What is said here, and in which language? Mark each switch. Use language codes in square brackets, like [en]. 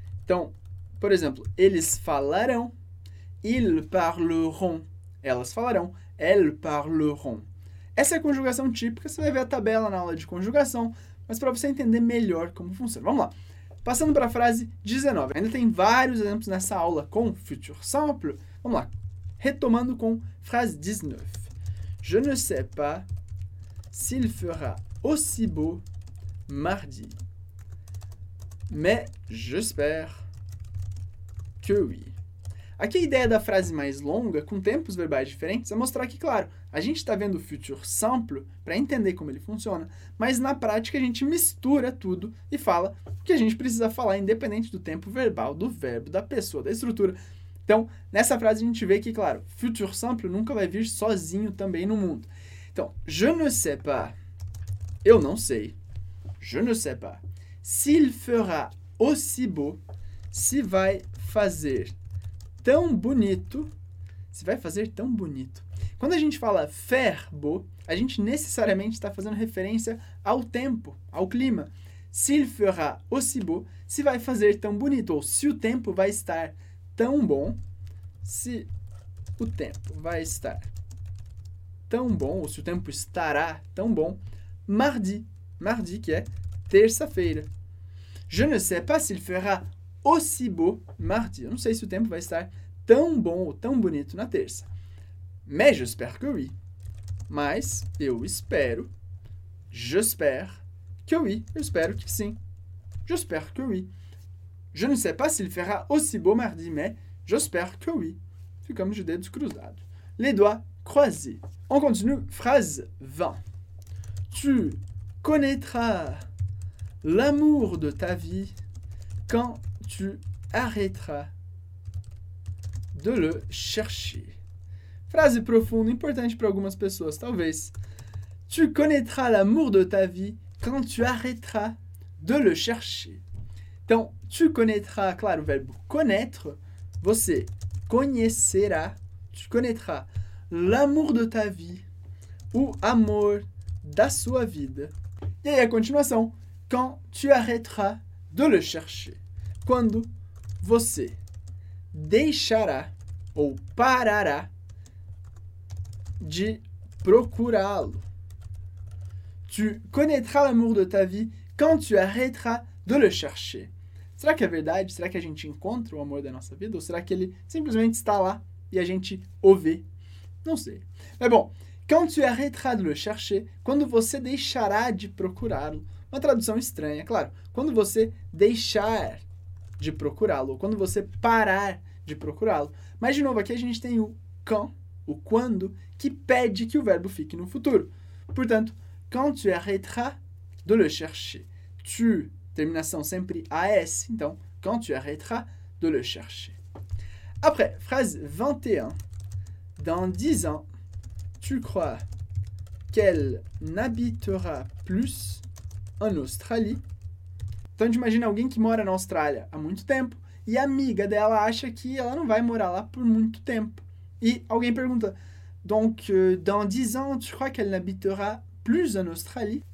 [pt] Então, por exemplo, eles falarão, [fr] ils parleront, [pt] elas falarão, [fr] elles parleront. [pt] Essa é a conjugação típica, você vai ver a tabela na aula de conjugação, mas para você entender melhor como funciona. Vamos lá. Passando para a frase 19. Ainda tem vários exemplos nessa aula com futur simple. Vamos lá. Retomando com frase 19. [fr] Je ne sais pas s'il fera aussi beau mardi, mais j'espère que oui. [pt] Aqui a ideia da frase mais longa, com tempos verbais diferentes, é mostrar que, claro, a gente está vendo o futur simple para entender como ele funciona, mas na prática a gente mistura tudo e fala o que a gente precisa falar, independente do tempo verbal, do verbo, da pessoa, da estrutura. Então, nessa frase a gente vê que, claro, futur simple nunca vai vir sozinho também no mundo. Então, [fr] je ne sais pas, [pt] eu não sei, je ne sais pas, [fr] s'il fera aussi beau, [pt] se vai fazer tão bonito, se vai fazer tão bonito. Quando a gente fala faire beau, a gente necessariamente está fazendo referência ao tempo, ao clima. [fr] S'il fera aussi beau, [pt] se vai fazer tão bonito, ou se o tempo vai estar tão bom, se o tempo vai estar tão bom, ou se o tempo estará tão bom, mardi, mardi que é terça-feira. [fr] Je ne sais pas s'il fera aussi beau mardi. [pt] Eu não sei se o tempo vai estar tão bom ou tão bonito na terça. [fr] Mais j'espère que oui. [pt] Mas eu espero. [fr] J'espère que oui. [pt] Eu espero que sim. [fr] J'espère que oui. Je ne sais pas s'il fera aussi beau mardi, mais j'espère que oui. [pt] Ficamos de dedos cruzados. [fr] Les doigts croisés. On continue. Phrase 20. Tu connaîtras l'amour de ta vie quand tu arrêteras de le chercher. [pt] Frase profunda, importante para algumas pessoas, talvez. [fr] Tu connaîtras l'amour de ta vie quand tu arrêteras de le chercher. [pt] Então, [fr] tu connaîtras, [pt] claro, o verbo connaître, você conhecerá, [fr] tu connaîtras l'amour de ta vie, [pt] o amor da sua vida. E aí, a continuação, [fr] quand tu arrêteras de le chercher. [pt] Quando você deixará ou parará de procurá-lo. [fr] Tu connaîtras l'amour de ta vie quand tu arrêteras de le chercher. [pt] Será que é verdade? Será que a gente encontra o amor da nossa vida? Ou será que ele simplesmente está lá e a gente o vê? Não sei. Mas bom, [fr] quand tu arrêteras de le chercher, [pt] quando você deixará de procurá-lo. Uma tradução estranha, claro. Quando você deixar de procurá-lo, ou quando você parar de procurá-lo. Mas, de novo, aqui a gente tem o quand, o quando, que pede que o verbo fique no futuro. Portanto, [fr] quand tu arrêteras de le chercher. Tu, [pt] terminação sempre AS, então, [fr] quand tu arrêteras de le chercher. Après, phrase 21. Dans 10 ans, tu crois qu'elle n'habitera plus en Australie. [pt] Então, a gente imagina alguém que mora na Austrália há muito tempo e a amiga dela acha que ela não vai morar lá por muito tempo. E alguém pergunta, [fr] donc, dans 10 ans, tu crois qu'elle n'habitera plus en Australie?